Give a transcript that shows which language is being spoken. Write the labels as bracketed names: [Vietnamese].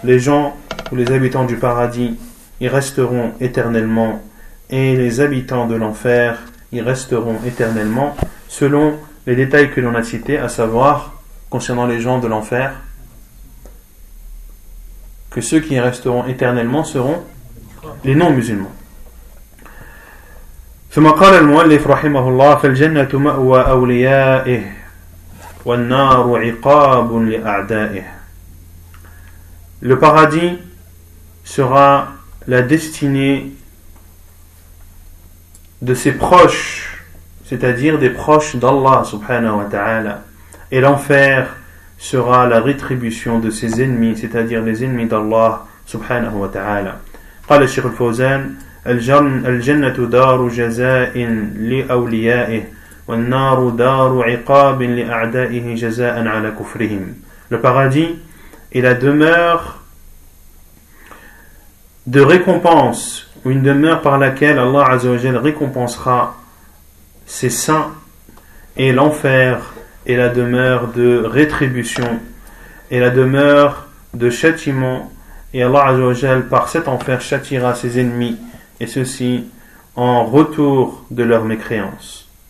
[French] Les gens ou les habitants du paradis y resteront éternellement, et les habitants de l'enfer y resteront éternellement, selon les détails que l'on a cités, à savoir, concernant les gens de l'enfer, que ceux qui y resteront éternellement seront les non-musulmans. [Arabic] ثم قال المؤلف رحمه الله فالجنة مأوى أوليائه والنار عقاب لأعدائه. [French] Le paradis sera la destinée de ses proches, c'est-à-dire des proches d'Allah subhanahu wa ta'ala, et l'enfer sera la rétribution de ses ennemis, c'est-à-dire les ennemis d'Allah subhanahu wa ta'ala. [Arabic] قال الشيخ الفوزان الجنة دار جزاء لأوليائه والنار دار عقاب لأعدائه جزاء على كفرهم. [French] Le paradis est la demeure de récompense, ou une demeure par laquelle Allah Azzawajal récompensera ses saints, et l'enfer est la demeure de rétribution et la demeure de châtiment, et Allah Azzawajal par cet enfer châtiera ses ennemis, et ceci en retour de leur mécréance.